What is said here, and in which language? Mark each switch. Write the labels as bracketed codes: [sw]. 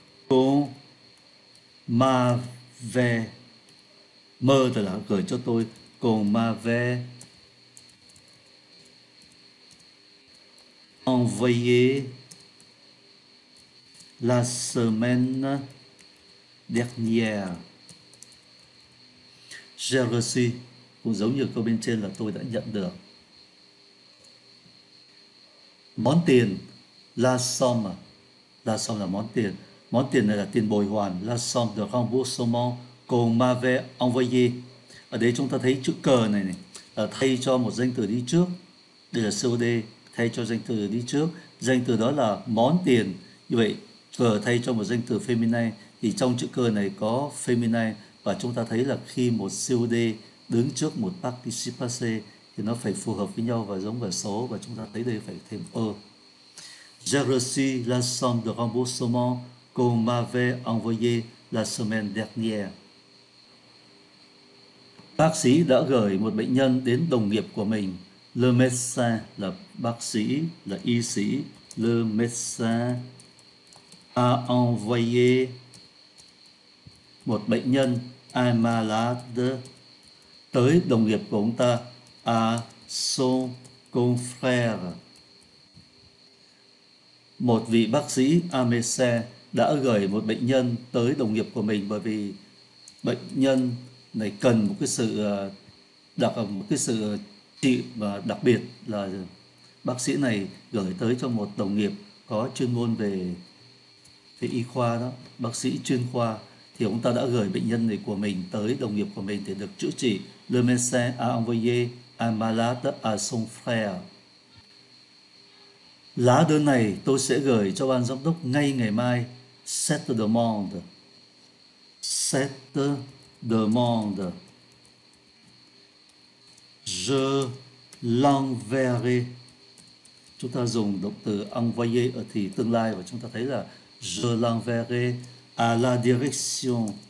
[vi] Cô ma ve. Mơ thì là gửi cho tôi. [fr] Còn ma ve envoyé la semaine dernière. J'ai reçu. [vi] Cũng giống như câu bên trên là tôi đã nhận được. Món tiền. [fr] La somme. La somme [vi] là món tiền. Món tiền này là tiền bồi hoàn. [fr] La somme de remboursement qu'on m'avait envoyé. [vi] Ở đây chúng ta thấy chữ cờ này này là thay cho một danh từ đi trước. Đây là COD thay cho danh từ đi trước. Danh từ đó là món tiền. Như vậy cờ thay cho một danh từ feminine thì trong chữ cờ này có feminine và chúng ta thấy là khi một COD đứng trước một participe passé thì nó phải phù hợp với nhau và giống vào số và chúng ta thấy đây phải thêm ơ. [fr] J'ai reçu la somme de remboursement qu'on m'avait envoyé la semaine dernière. [vi] Bác sĩ đã gửi một bệnh nhân đến đồng nghiệp của mình. [fr] Le médecin [vi] là bác sĩ, là y sĩ. [fr] Le médecin a envoyé [vi] một bệnh nhân, [fr] un malade, [vi] tới đồng nghiệp của ông ta, [fr] à son confrère. [vi] Một vị bác sĩ, [fr] un médecin, [vi] đã gửi một bệnh nhân tới đồng nghiệp của mình bởi vì bệnh nhân này cần một cái sự đặc, một cái sự trị và đặc biệt là bác sĩ này gửi tới cho một đồng nghiệp có chuyên môn về về y khoa đó, bác sĩ chuyên khoa thì ông ta đã gửi bệnh nhân này của mình tới đồng nghiệp của mình để được chữa trị. [fr] Le médecin a envoyé un malade à son frère. [vi] Lá đơn này tôi sẽ gửi cho ban giám đốc ngay ngày mai. [fr] Cette demande. Cette demande. Je l'enverrai. [vi] Chúng ta dùng động từ envoyer ở thì tương lai và chúng ta thấy là [fr] je l'enverrai à la direction.